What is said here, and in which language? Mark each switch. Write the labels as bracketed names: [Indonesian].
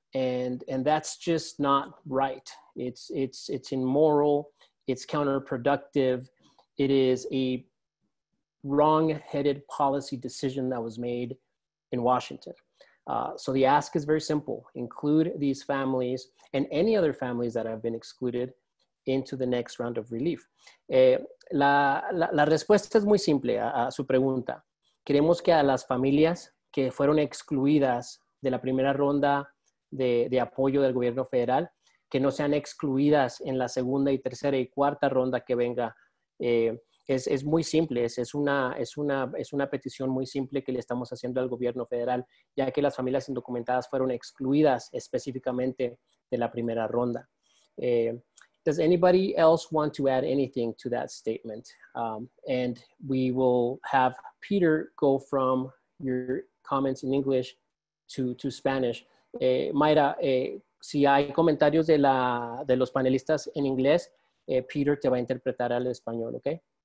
[English] And that's just not right. It's immoral, it's counterproductive, it is a wrong-headed policy decision that was made in Washington. So the ask is very simple: include these families and any other families that have been excluded into the next round of relief. [Spanish] La respuesta es muy simple a su pregunta. Queremos que a las familias que fueron excluidas de la primera ronda de apoyo del gobierno federal, que no sean excluidas en la segunda y tercera y cuarta ronda que venga. Es muy simple, es una petición muy simple que le estamos haciendo al gobierno federal, ya que las familias indocumentadas fueron excluidas específicamente de la primera ronda. [English] Does anybody else want to add anything to that statement? And we will have Peter go from your comments in English to Spanish. [Spanish] Mayra, si hay comentarios de los panelistas en inglés, Peter te va a interpretar al español, okay?